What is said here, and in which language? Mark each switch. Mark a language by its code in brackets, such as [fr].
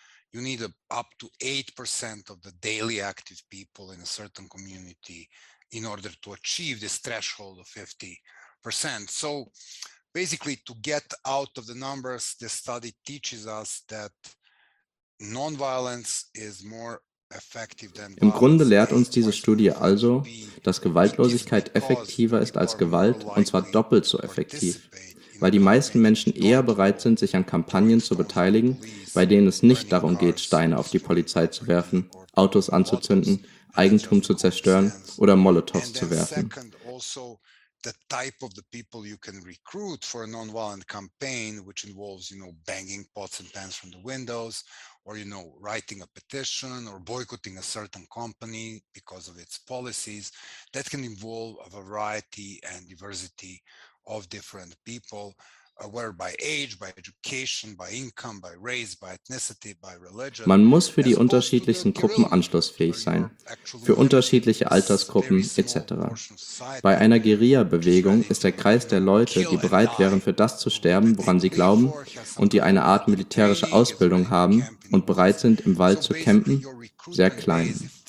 [en] You need up to 8% of the daily active people in a certain community in order to achieve this threshold of 50%. So basically, to get out of the numbers, the study teaches us that nonviolence is more effective than violence. [de] Im Grunde lehrt uns diese Studie also, dass Gewaltlosigkeit effektiver ist als Gewalt, und zwar doppelt so effektiv. Weil die meisten Menschen eher bereit sind, sich an Kampagnen zu beteiligen, bei denen es nicht darum geht, Steine auf die Polizei zu werfen, Autos anzuzünden, Eigentum zu zerstören oder Molotows zu werfen. [en] The type of the people you can recruit for a non-violent campaign, which involves, you know, banging pots and pans from the windows, or, you know, writing a petition or boycotting a certain company because of its policies, that can involve a variety and diversity of different people, where by age, by education, by income, by race, by ethnicity, by religion. [de] Man muss für die unterschiedlichsten Gruppen anschlussfähig sein, für unterschiedliche Altersgruppen etc. Bei einer Guerilla-Bewegung ist der Kreis der Leute, die bereit wären, für das zu sterben, woran sie glauben, und die eine Art militärische Ausbildung haben und bereit sind, im Wald zu campen, sehr klein.